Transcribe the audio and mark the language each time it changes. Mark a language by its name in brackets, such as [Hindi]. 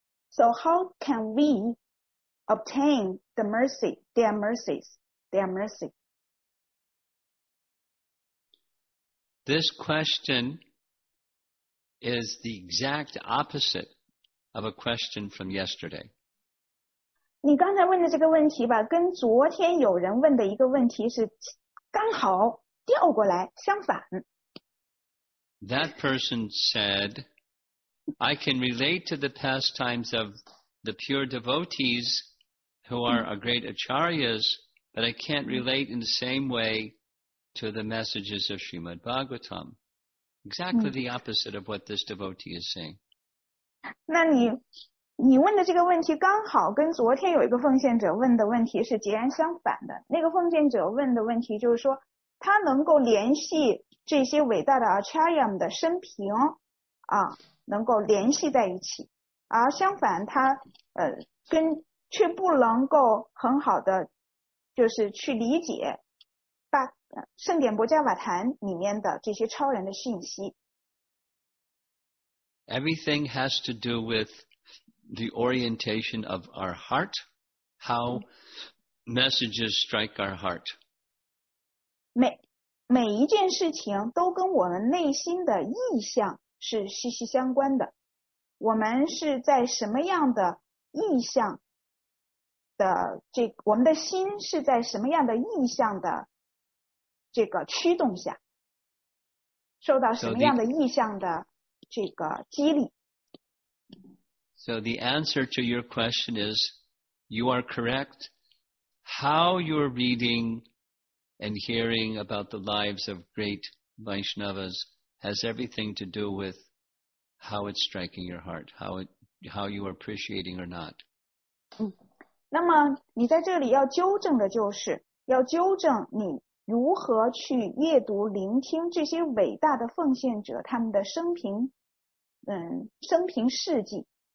[English] So how can we obtain the mercy, their mercies, their mercy. This question is the exact opposite of a question from yesterday. [Chinese] 你刚才问的这个问题吧，跟昨天有人问的一个问题是刚好调过来相反。 [English] That person said, I can relate to the pastimes of the pure devotees who are a great acharyas, but I can't relate in the same way to the messages of Srimad Bhagavatam. Exactly the opposite of what this devotee is saying. [Chinese] 那你问的这个问题刚好跟昨天有一个奉献者问的问题是截然相反的。那个奉献者问的问题就是说他能够联系这些伟大的 Acharyam 的生平啊，能够联系在一起，而相反他跟却不能够很好的就是去理解圣典博伽瓦坛里面的这些超人的信息。 [English] Everything has to do withThe orientation of our heart, how messages strike our heart. [Chinese] 每一件事情都跟我们内心的意向是息息相关的。我们是在什么样的意向的这个，我们的心是在什么样的意向的这个驱动下，受到什么样的意向的这个激励。 [English] So the answer to your question is, you are correct. How you're reading and hearing about the lives of great Vaishnavas has everything to do with how it's striking your heart, how you are appreciating or not. [Chinese] 那么你在这里要纠正的就是，要纠正你如何去阅读、聆听这些伟大的奉献者他们的生平事迹。